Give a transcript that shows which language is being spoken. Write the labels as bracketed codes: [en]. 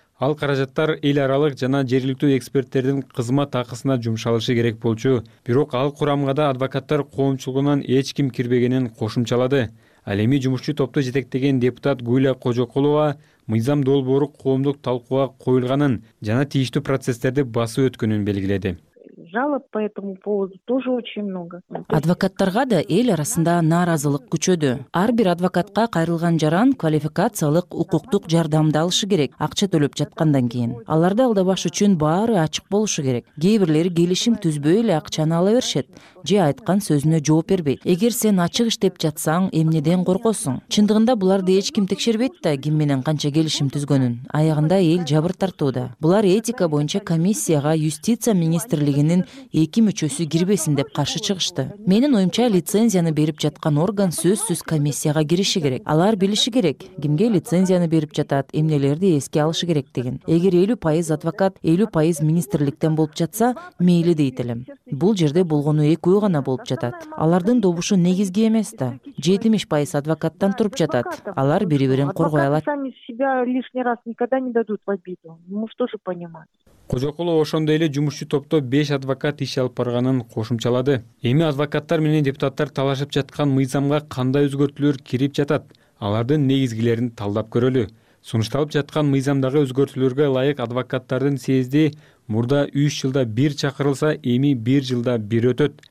[ky] Ал каражаттар эл аралык жана жергиликтүү эксперттердин кызмат акысына жумшалышы керек болчу. Бирок ал курамга да адвокаттар коомчулугунан эч ким кирбегенин кошумчалады. Ал эми жумушчу топту жетектеген депутат Гүлия Кожокулова мыйзам долбоору коомдук талкууга коюлганын жана тийиштүү процесстерди басып өткөнүн белгиледи. [ru] Жалоб по этому поводу тоже очень много. [ky] Адвокаттарга да эл арасында нааразылык күчөдү. Ар бир адвокатка кайрылган жаран квалификациялык укуктук жардамды алышы керек, акча төлөп жаткандан кийин. Аларды алдабаш үчүн баары ачык болушу керек. Кээбирлери келишим түзбөй эле акчаны ала беришет же айткан сөзүнө жооп бербейт. Эгер сен ачык иштеп жатсаң, эмнеден коркосуң? Чындыгында буларды эч ким текшербейт да, ким менен канча келишим түзгөнүн. Аягында эл жабыр тартууда. Булар этика боюнча комиссияга юстиция министрлигинин эки мүчөсү кирбесин деп каршы чыгышты. Менин оюмча лицензияны берип жаткан орган сөзсүз комиссияга кириши керек. Алар билиши керек, кимге лицензияны берип жатат, эмнелерди эске алышы керек деген. Эгер 50% адвокат, 50% министрликтен болуп жатса, мейли дейт элем. Бул жерде болгону экөө гана болуп жатат. Алардын добушу негизги эмес да. 70% адвокаттан туруп жатат. Алар бири-бирин коргой алат. [ru] Сами себя лишний раз никогда не дадут в обиду. Мы что же понимаем? [ky] Кожокулова ошондой эле жумушчу топто 5 адвокат иш алып барганын кошумчалады. Эми адвокаттар менен депутаттар талашып жаткан мыйзамга кандай өзгөртүүлөр кирип жатат? Алардын негизгилерин талдап көрөлү. Сунушталып жаткан мыйзамдагы өзгөртүүлөргө ылайык адвокаттардын съезди мурда 3 жылда 1 чакырылса, эми 1 жылда 1 өтөт.